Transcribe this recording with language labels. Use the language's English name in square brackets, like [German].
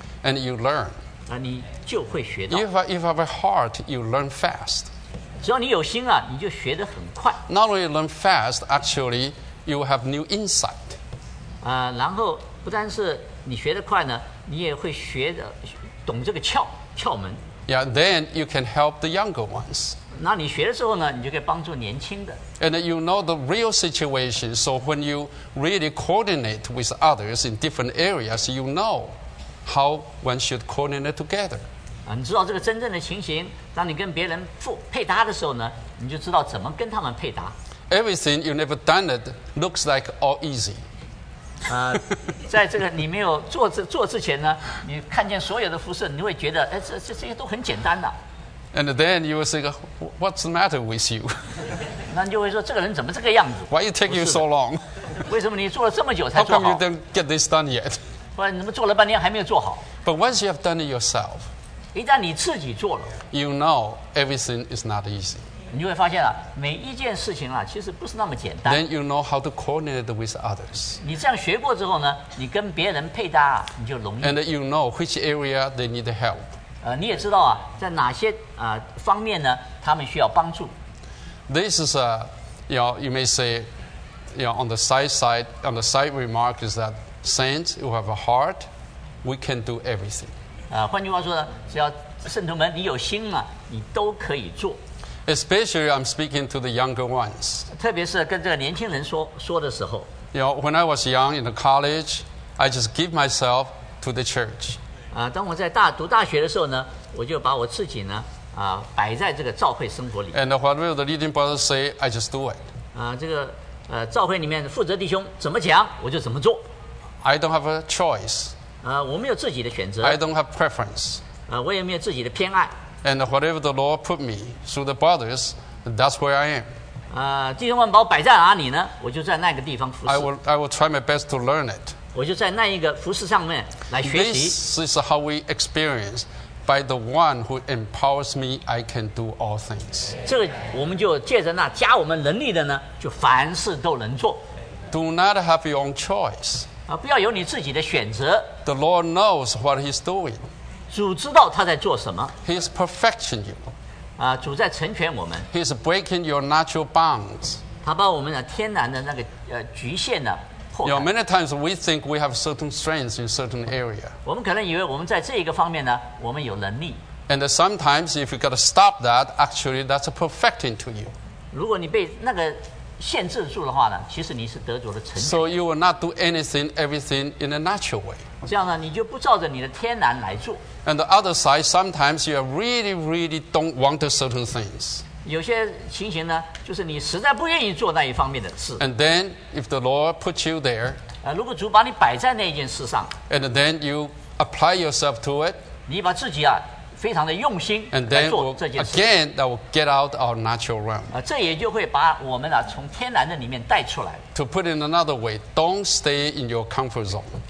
[English] And you learn. [Chinese] 你就会学到。 [English] If you have a heart, you learn fast. [Chinese] 只要你有心你就学得很快。 [English] Not only you learn fast, actually, you have new insight. [Chinese] 然后不单是你学得快呢，你也会学得懂这个窍门。 [English] Yeah, then you can help the younger ones. [Chinese] 那你学的时候呢，你就可以帮助年轻的。 [English] And you know the real situation, so when you really coordinate with others in different areas, you know how one should coordinate together. [Chinese] 你知道这个真正的情形，当你跟别人配搭的时候呢，你就知道怎么跟他们配搭。 [English] Everything you never done it looks like all easy. [Chinese] 在这个你没有做之前呢，你看见所有的服侍，你会觉得，这些都很简单的。 [English] And then you will say, "What's the matter with you?" [Chinese] 那你就会说，这个人怎么这个样子 [English] ？Why it take you so long? [Chinese] 为什么你做了这么久才做好 [English] ？How come you don't get this done yet? [Chinese] 或者你们做了半天还没有做好 [English] ？But once you have done it yourself, [Chinese] 一旦你自己做了 [English] ，you know everything is not easy. [Chinese] 你就会发现每一件事情其实不是那么简单。 [English] Then you know how to coordinate with others. [Chinese] 你这样学过之后呢，你跟别人配搭你就容易。 [English] And you know which area they need help. [Chinese] 你也知道在哪些方面呢，他们需要帮助。 [English] This is you may say, on the side remark is that saints who have a heart, we can do everything. [Chinese] 换句话说呢，只要圣徒们你有心你都可以做。 [English] Especially, I'm speaking to the younger ones. [Chinese] 特别是跟这个年轻人说的时候。 [English] When I was young in the college, I just give myself to the church. [Chinese] 当我在读大学的时候呢，我就把我自己呢摆在这个教会生活里。 [English] And what will the leading brother say? I just do it. [Chinese] 教会里面负责弟兄怎么讲，我就怎么做。 [English] I don't have a choice. [Chinese] 我没有自己的选择。 [English] I don't have preference. [Chinese] 我也没有自己的偏爱。 [English] And whatever the Lord put me through the brothers, that's where I am. [Chinese] 弟兄们把我摆在哪里呢？我就在那个地方服侍。 [English] I will try my best to learn it. [Chinese] 我就在那一个服侍上面来学习。 [English] This is how we experience. By the one who empowers me, I can do all things. [Chinese] 这个我们就借着那加我们能力的呢，就凡事都能做。 [English] Do not have your own choice. [Chinese] 不要有你自己的选择。 [English] The Lord knows what He's doing. [Chinese] 主知道他在做什么。 [English] He is perfecting you. [Chinese] 主在成全我们。 [English] He is breaking your natural bounds. [Chinese] 他把我们的天然的那个局限呢破开。 [English] Many times we think we have certain strengths in certain area. [Chinese] 我们可能以为我们在这一个方面呢，我们有能力。 [English] And sometimes if you got to stop that, actually that's a perfecting to you. [Chinese] 如果你被那个限制住的话呢，其实你是得着了成全。 [English] So you will not do anything, everything in a natural way. [Chinese] 这样呢，你就不照着你的天然来做。 [English] And the other side, sometimes you really, really don't want certain things. [Chinese] 有些情形呢，就是你实在不愿意做那一方面的事。 [English] And then, if the Lord puts you there, [Chinese] 如果主把你摆在那一件事上 [English] ，and then you apply yourself to it, [Chinese] 你把自己非常的用心来做这件事。 [English] And then again, that will get out our natural realm. [Chinese] 这也就会把我们从天然的里面带出来。 [English] To put it in another way, don't stay in your comfort zone.